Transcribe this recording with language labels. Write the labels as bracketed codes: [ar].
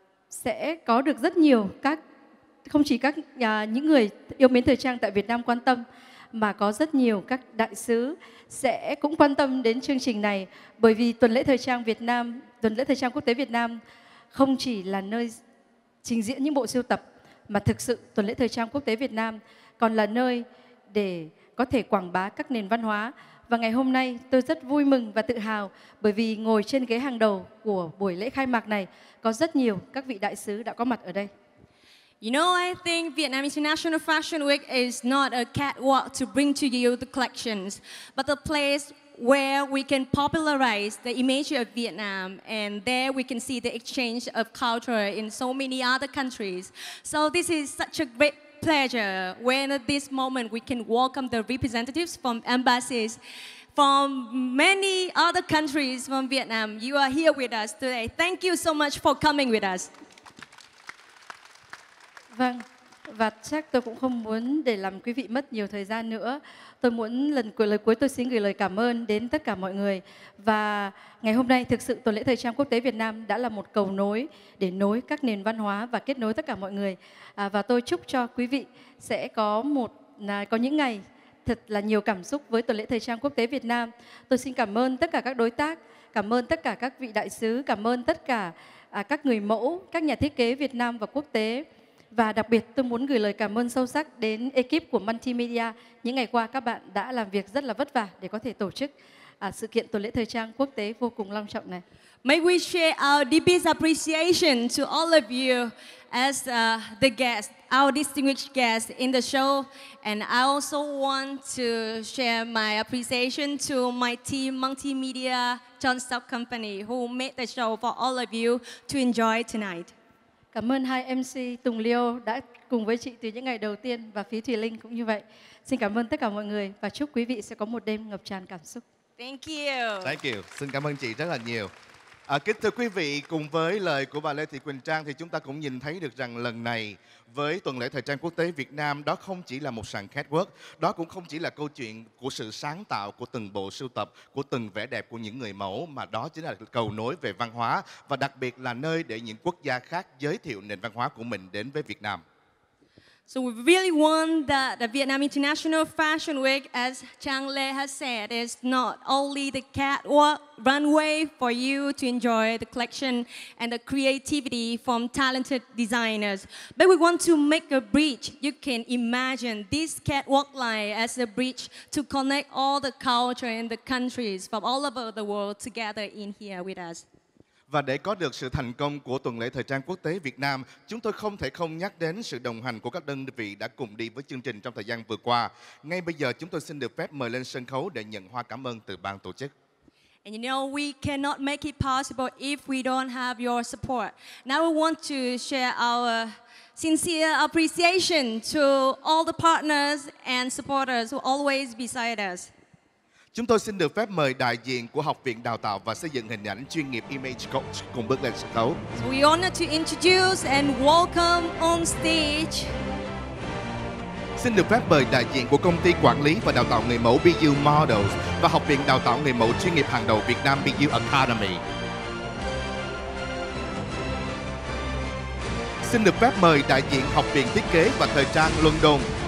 [vi] sẽ có được rất nhiều các, không chỉ các những người yêu mến thời trang tại Việt Nam quan tâm, mà có rất nhiều các đại sứ sẽ cũng quan tâm đến chương trình này, bởi vì tuần lễ thời trang Việt Nam, tuần lễ thời trang quốc tế Việt Nam không chỉ là nơi trình diễn những bộ sưu tập, mà thực sự tuần lễ thời trang quốc tế Việt Nam còn là nơi để có thể quảng bá các nền văn hóa. Và ngày hôm nay tôi rất vui mừng và tự hào bởi vì ngồi trên ghế hàng đầu của buổi lễ khai mạc này có rất nhiều các vị đại sứ đã có mặt ở đây. [en] You know, I think Vietnam International Fashion Week is not a catwalk to bring to you the collections, but the place where we can popularize the image of Vietnam, and there we can see the exchange of culture in so many other countries. So this is such a great pleasure when at this moment we can welcome the representatives from embassies from many other countries from Vietnam. You are here with us today. Thank you so much for coming with us. [vi] Vâng, và chắc tôi cũng không muốn để làm quý vị mất nhiều thời gian nữa. Tôi muốn lời cuối tôi xin gửi lời cảm ơn đến tất cả mọi người. Và ngày hôm nay thực sự tuần lễ thời trang quốc tế Việt Nam đã là một cầu nối để nối các nền văn hóa và kết nối tất cả mọi người. Và tôi chúc cho quý vị sẽ có những ngày thật là nhiều cảm xúc với tuần lễ thời trang quốc tế Việt Nam. Tôi xin cảm ơn tất cả các đối tác, cảm ơn tất cả các vị đại sứ, cảm ơn tất cả các người mẫu, các nhà thiết kế Việt Nam và quốc tế. Và đặc biệt tôi muốn gửi lời cảm ơn sâu sắc đến ekip của Multimedia. Những ngày qua các bạn đã làm việc rất là vất vả để có thể tổ chức sự kiện tuần lễ thời trang quốc tế vô cùng long trọng này. [en] May we share our deepest appreciation to all of you as the guests, our distinguished guests in the show. And I also want to share my appreciation to my team, Multimedia, John Stock Company, who made the show for all of you to enjoy tonight. [vi] Cảm ơn hai MC Tùng Liêu đã cùng với chị từ những ngày đầu tiên và Phí Thùy Linh cũng như vậy. Xin cảm ơn tất cả mọi người và chúc quý vị sẽ có một đêm ngập tràn cảm xúc. [en] Thank you. Thank you. [vi] Xin cảm ơn chị rất là nhiều. Kính thưa quý vị, cùng với lời của bà Lê Thị Quỳnh Trang thì chúng ta cũng nhìn thấy được rằng lần này với tuần lễ thời trang quốc tế Việt Nam đó không chỉ là một sàn catwalk, đó cũng không chỉ là câu chuyện của sự sáng tạo của từng bộ sưu tập, của từng vẻ đẹp của những người mẫu, mà đó chính là cầu nối về văn hóa và đặc biệt là nơi để những quốc gia khác giới thiệu nền văn hóa của mình đến với Việt Nam. [en] So we really want that the Vietnam International Fashion Week, as Chang Le has said, is not only the catwalk runway for you to enjoy the collection and the creativity from talented designers, but we want to make a bridge. You can imagine this catwalk line as a bridge to connect all the culture and the countries from all over the world together in here with us. [vi] Và để có được sự thành công của tuần lễ thời trang quốc tế Việt Nam, chúng tôi không thể không nhắc đến sự đồng hành của các đơn vị đã cùng đi với chương trình trong thời gian vừa qua. Ngay bây giờ chúng tôi xin được phép mời lên sân khấu để nhận hoa cảm ơn từ ban tổ chức. [en] And you know, we cannot make it possible if we don't have your support. Now we want to share our sincere appreciation to all the partners and supporters who always beside us. [vi] Chúng tôi xin được phép mời đại diện của Học viện Đào tạo và Xây dựng Hình ảnh Chuyên nghiệp Image Coach cùng bước lên sân khấu. [en] We honor to introduce and welcome on stage. [vi] Xin được phép mời đại diện của Công ty Quản lý và Đào tạo Người mẫu BU Models và Học viện Đào tạo Người mẫu Chuyên nghiệp hàng đầu Việt Nam BU Academy. Xin được phép mời đại diện Học viện Thiết kế và Thời trang London.